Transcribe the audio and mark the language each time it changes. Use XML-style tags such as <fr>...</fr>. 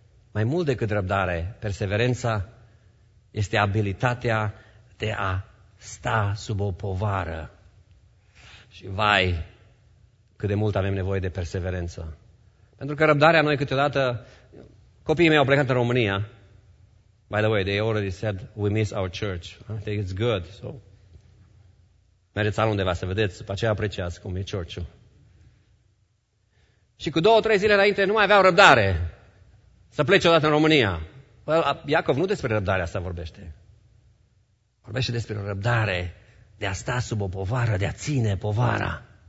<ro>Mai mult decât răbdare, perseverența este abilitatea de a sta sub o povară. Și vai, cât de mult avem nevoie de perseverență. Pentru că răbdarea noi câteodată, copiii mei au plecat în România.</ro> <en>By the way, they already said, we miss our church. I think it's good, so</en> <ro>Mergeți altundeva să vedeți, după aceea apreciați cum e church-ul. Și cu două, trei zile înainte nu mai aveau răbdare să plece odată în România. Iacov nu despre răbdarea asta vorbește. Vorbește despre o răbdare de a sta sub o povară, de a ține povara.</ro>